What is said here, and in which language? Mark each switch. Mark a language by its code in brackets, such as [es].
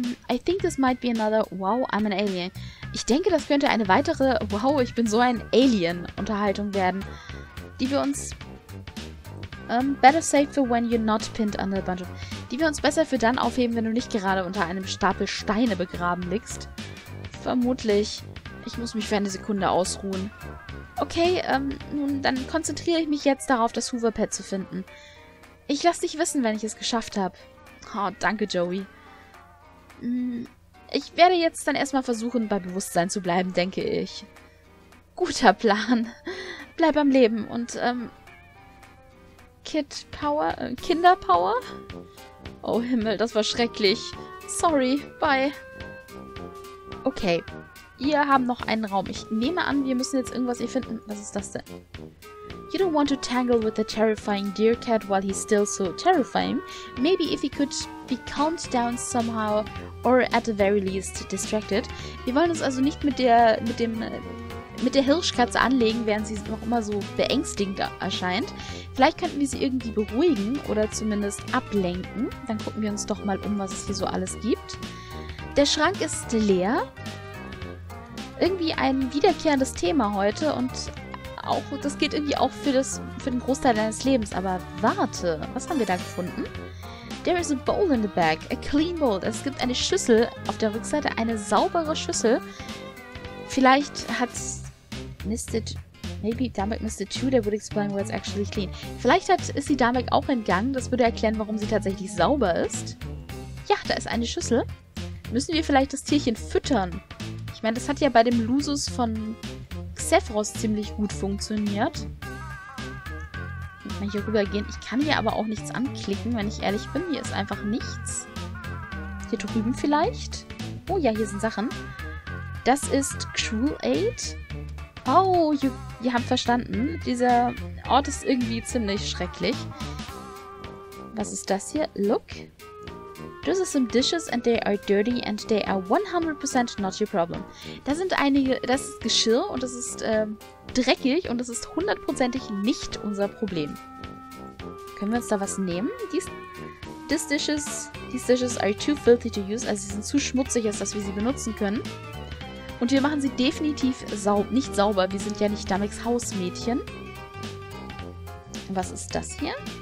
[en] I think this might be another Wow, I'm an Alien. [de] Ich denke, das könnte eine weitere Wow, ich bin so ein Alien- Unterhaltung werden, die wir uns... [en] better safe for when you're not pinned under a bunch of... [de] Die wir uns besser für dann aufheben, wenn du nicht gerade unter einem Stapel Steine begraben liegst. Vermutlich. Ich muss mich für eine Sekunde ausruhen. Okay, nun, dann konzentriere ich mich jetzt darauf, das Hooverpad zu finden. Ich lass dich wissen, wenn ich es geschafft habe. Oh, danke, Joey. Ich werde jetzt dann erstmal versuchen, bei Bewusstsein zu bleiben, denke ich. Guter Plan. Bleib am Leben und, Kid Power? Kinder Power? Oh Himmel, das war schrecklich. Sorry, bye. Okay. Wir haben noch einen Raum. Ich nehme an, wir müssen jetzt irgendwas hier finden. Was ist das denn? [en] You don't want to tangle with the terrifying deer cat while he's still so terrifying. Maybe if he could be calmed down somehow or at the very least distracted. [de] Wir wollen uns also nicht mit der Hirschkatze anlegen, während sie noch immer so beängstigend erscheint. Vielleicht könnten wir sie irgendwie beruhigen oder zumindest ablenken. Dann gucken wir uns doch mal um, was es hier so alles gibt. Der Schrank ist leer. Irgendwie ein wiederkehrendes Thema heute und auch das gilt irgendwie auch für den Großteil deines Lebens. Aber warte, was haben wir da gefunden? [en] There is a bowl in the back, a clean bowl. [de] Es gibt eine Schüssel auf der Rückseite, eine saubere Schüssel. Vielleicht hat Mr. [en] Maybe Dalmec missed a chew that would explain why it's actually clean. [de] Vielleicht ist sie Dalmec auch entgangen. Das würde erklären, warum sie tatsächlich sauber ist. Ja, da ist eine Schüssel. Müssen wir vielleicht das Tierchen füttern? Ich meine, das hat ja bei dem Lusus von Xephros ziemlich gut funktioniert. Kann ich hier rübergehen? Ich kann hier aber auch nichts anklicken, wenn ich ehrlich bin. Hier ist einfach nichts. Hier drüben vielleicht? Oh ja, hier sind Sachen. Das ist Cruel Aid. Oh, ihr habt verstanden. Dieser Ort ist irgendwie ziemlich schrecklich. Was ist das hier? [en] Look. [de] Das sind [en] some dishes and they are dirty and they are 100% not your problem. [de] Das sind einige, das ist Geschirr und das ist dreckig und das ist hundertprozentig nicht unser Problem. Können wir uns da was nehmen? [en] These dishes are too filthy to use, [de] also sie sind zu schmutzig, als dass wir sie benutzen können. Und wir machen sie definitiv nicht sauber, wir sind ja nicht Dalmecs Hausmädchen. Was ist das hier?